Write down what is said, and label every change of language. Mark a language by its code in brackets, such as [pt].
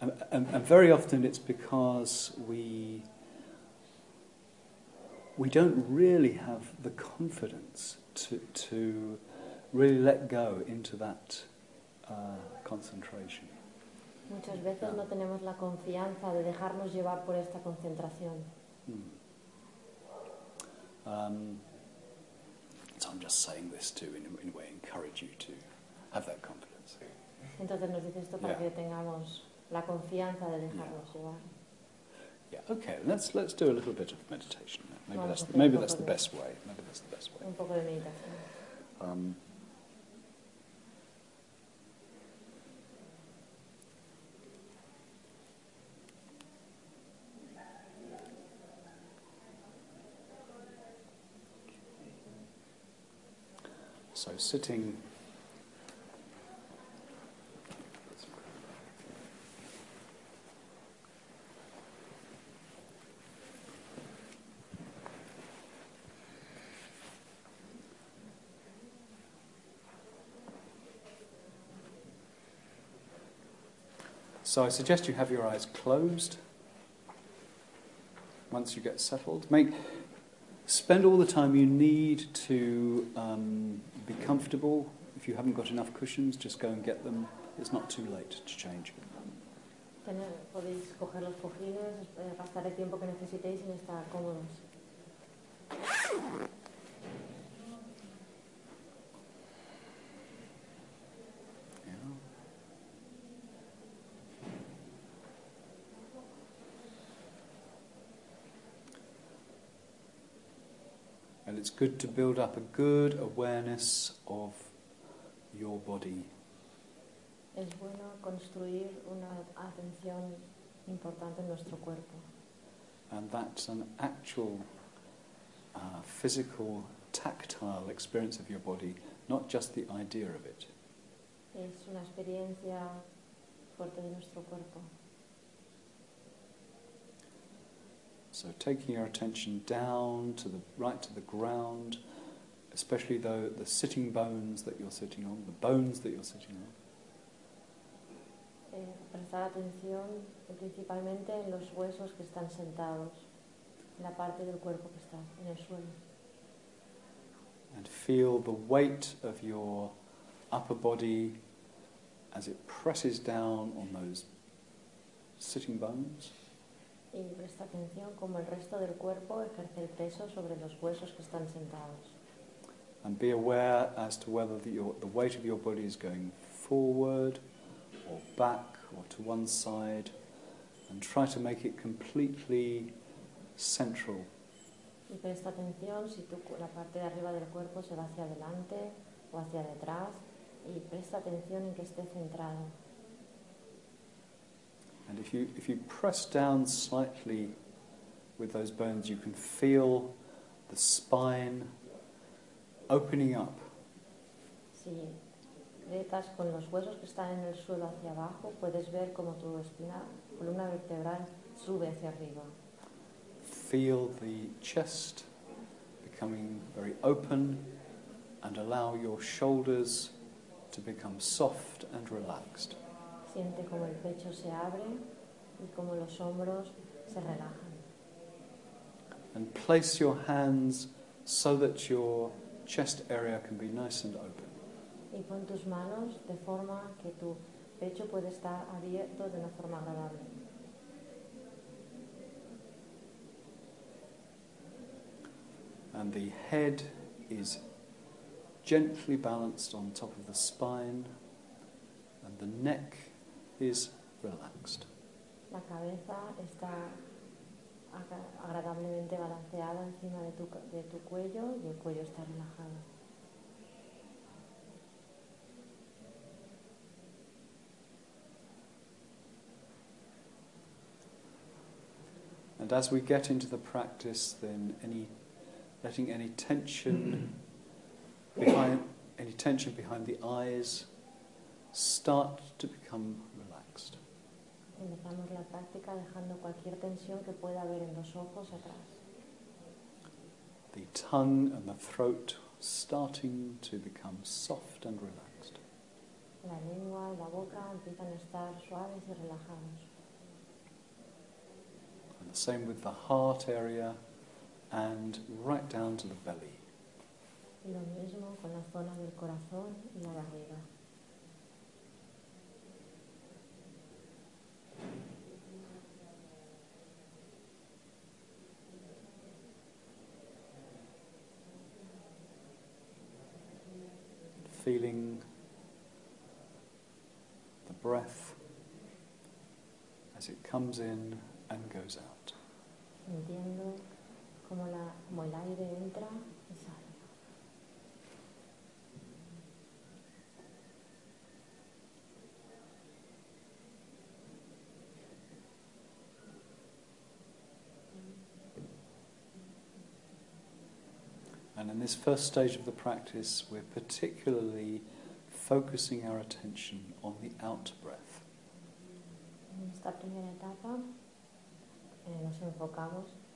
[en] And very often it's because we don't really have the confidence to really let go into that concentration. [es] Muchas veces no tenemos la confianza de dejarnos llevar por esta concentración. [en] So I'm just saying this to, in a way, encourage you to have that confidence. [es] Entonces nos dice esto para que tengamos la confianza de dejarnos llevar. [en] Yeah, okay, let's do a little bit of meditation now. Maybe that's the best way. [es] Un poco de meditación. [en] So sitting. So I suggest you have your eyes closed once you get settled. Spend all the time you need to be comfortable. If you haven't got enough cushions, just go and get them. It's not too late to change. [es] Podéis coger los cojines, gastar el tiempo que necesitéis y estar cómodos. [en] It's good to build up a good awareness of your body. [es] Es bueno construir una atención importante en nuestro cuerpo. [en] And that's an actual physical, tactile experience of your body, not just the idea of it. [es] Es una experiencia fuerte de nuestro cuerpo. [en] So taking your attention down to the right to the ground, especially the sitting bones that you're sitting on, the bones that you're sitting on. [es] Prestar atención principalmente en los huesos que están sentados, en la parte del cuerpo que está en el suelo. [en] And feel the weight of your upper body as it presses down on those sitting bones. [es] Y presta atención como el resto del cuerpo ejerce el peso sobre los huesos que están sentados. [en] And be aware as to whether the weight of your body is going forward or back or to one side, and try to make it completely central. [es] Y presta atención si tu, la parte de arriba del cuerpo se va hacia adelante o hacia detrás, y presta atención en que esté centrado. [en] And if you press down slightly with those bones, you can feel the spine opening up. [es] Si aprietas con los huesos que están en el suelo hacia abajo, puedes ver cómo tu espina, columna vertebral, sube hacia arriba. [en] Feel the chest becoming very open and allow your shoulders to become soft and relaxed. [es] Siente cómo el pecho se abre y cómo los hombros se relajan. [en] And place your hands so that your chest area can be nice and open. [es] Y pon tus manos de forma que tu pecho pueda estar abierto de una forma agradable. [en] And the head is gently balanced on top of the spine, and the neck is relaxed. [es] La cabeza está agradablemente balanceada encima de tu cuello, y el cuello está relajado. [en] And as we get into the practice, then letting any tension behind the eyes start to become relaxed. [es] Empezamos la práctica dejando cualquier tensión que pueda haber en los ojos atrás. [en] The tongue and the throat starting to become soft and relaxed. [es] La lengua y la boca empiezan a estar suaves y relajados. [en] And the same with the heart area. And right down to the belly. [es] Lo mismo con la zona del corazón y la barriga. [en] Feeling the breath as it comes in and goes out. [es] Entiendo. Como el aire entra y sale. [en] And in this first stage of the practice, we're particularly focusing our attention on the out breath. [es] En esta primera etapa, nos enfocamos.